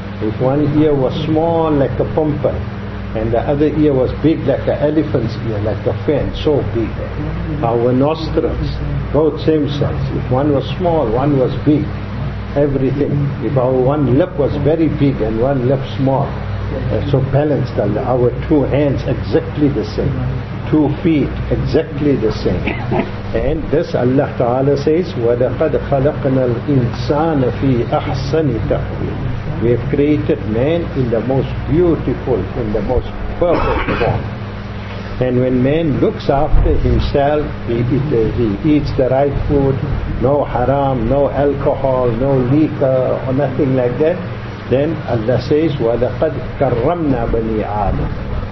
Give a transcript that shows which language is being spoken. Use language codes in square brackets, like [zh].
[en] If one ear was small like a pumpkin and the other ear was big like an elephant's ear, like a fan, so big. Our nostrils, both same size. If one was small, one was big. Everything. If our one lip was very big and one lip small, so balanced. And our two hands exactly the same. 2 feet exactly the same. And this Allah Ta'ala says, [ar] وَلَقَدْ خَلَقْنَا الْإِنسَانَ فِي أَحْسَنِ تَقْوِيمٍ. [en] We have created man in the most beautiful, in the most perfect form. And when man looks after himself, he eats the right food, no haram, no alcohol, no liquor, or nothing like that, then Allah says, [ar] وَلَقَدْ كَرَّمْنَا بَنِي آدَمَ.